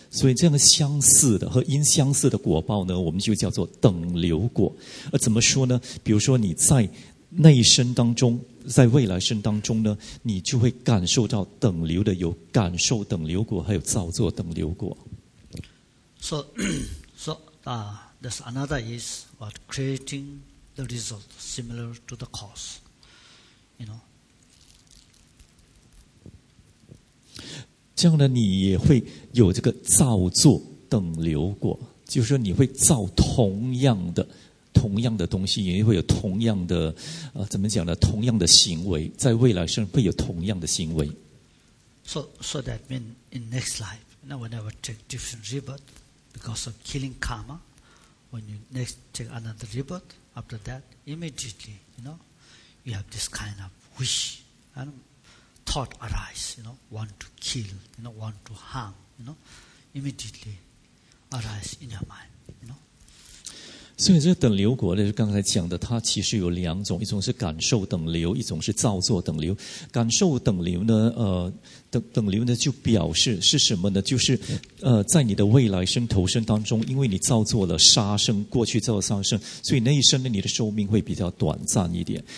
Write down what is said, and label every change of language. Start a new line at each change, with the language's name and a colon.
Chinese: 所以这样相似的和因相似的果报呢，我们就叫做等流果。怎么说呢？比如说你在那一生当中。在未来生当中呢，你就会感受到等流的有感受等流果，还有造作等流果。
English: So, there's another is what creating the result similar to the cause,
Chinese: 这样呢，你也会有这个造作等流果，就是说你会造同样的东西，也会有同样的，怎么讲呢？同样的行为，在未来生会有同样的行为。
English: So that means in next life, whenever take different rebirth, because of killing karma, when you next take another rebirth, after that, immediately, you have this kind of wish and thought arise, want to kill, want to harm, immediately arise in your mind.
Chinese: 所以这个等流果呢，就刚才讲的，它其实有两种，一种是感受等流，一种是造作等流。感受等流呢，等流呢就表示是什么呢？就是在你的未来生投生当中，因为你造作了杀生，过去造了杀生，所以那一生呢，你的寿命会比较短暂一点。